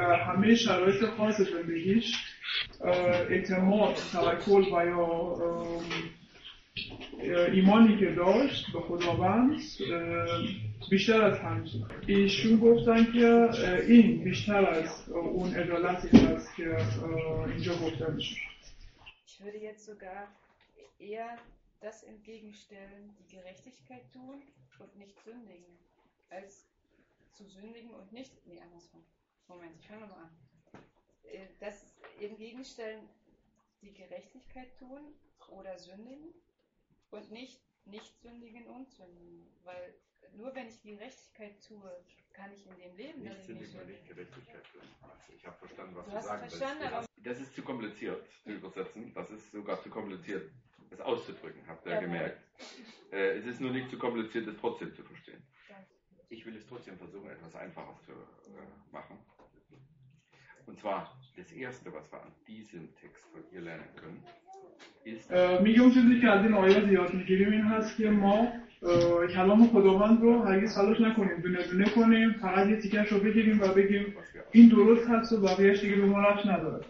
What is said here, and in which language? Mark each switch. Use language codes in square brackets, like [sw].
[fa] همه شرایط خاص زندگیش اعتماد، توکل و یا ایمانی که داشت به خداوند بیشتر از همه. ایشون گفتن که این بیشتر از اون عدالتی هست که اینجا گفته میشه. [de] Ich würde jetzt sogar eher das entgegenstellen, die Gerechtigkeit tun und nicht sündigen, als zu sündigen und nicht, nee, andersrum. Moment, ich fange mal an. Das entgegenstellen, die Gerechtigkeit tun oder sündigen und nicht sündigen und sündigen, weil nur wenn ich die Gerechtigkeit tue, kann ich in dem Leben, nicht dass ich nicht sündige. Nicht Gerechtigkeit tun. Ich habe verstanden, was du sagen willst. Das ist zu kompliziert zu übersetzen. Das ist sogar zu kompliziert, es auszudrücken, habt ihr ja gemerkt. Es ist nur nicht zu kompliziert, es trotzdem zu verstehen. Ich will es trotzdem versuchen, etwas einfacher zu machen. Und zwar, das Erste, was wir an diesem Text von ihr lernen können, ist... Mir geht es nicht an den Euer, die aus dem Gremien hast, hier mal... [fa] کلام خداوند رو هرگز فلاش نکنیم، دونه دونه کنیم، فقط یه تیکش رو بگیریم و بگیم این درست هست و بقیهش دیگه به ما ربط نداره.